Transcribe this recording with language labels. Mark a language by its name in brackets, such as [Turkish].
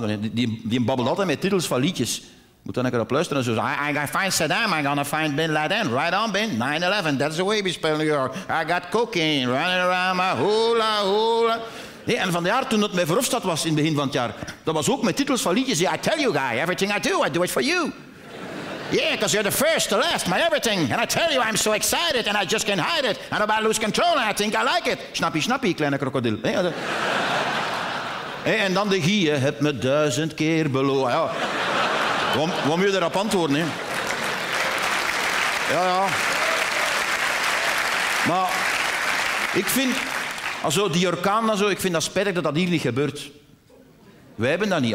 [Dutch] Die babbelt altijd met titels van liedjes. Moet dan lekker op luisteren. [English] Zo. I gotta find Saddam, I gotta find Bin Laden. Right on, Bin. 9-11, that's the way we spell New York. I got cocaine running around my hula hula. [Dutch] Nee, en van de jaar toen het bij Verhofstadt was in het begin van het jaar, dat was ook met titels van liedjes. [English] Yeah, I tell you guy, everything I do it for you. Yeah, because you're the first, the last, my everything. And I tell you, I'm so excited and I just can't hide it. And about lose control and I think I like it. [Dutch] Snappie, snappie, kleine krokodil. Nee, dat... Hey, en dan de gie, je hebt me 1000 keer beloofd. Ja. Wat moet je daarop antwoorden? Hè? Ja. Maar ik vind... Also, die orkaan en zo, ik vind dat spijtig dat dat hier niet gebeurt. Wij hebben dat niet.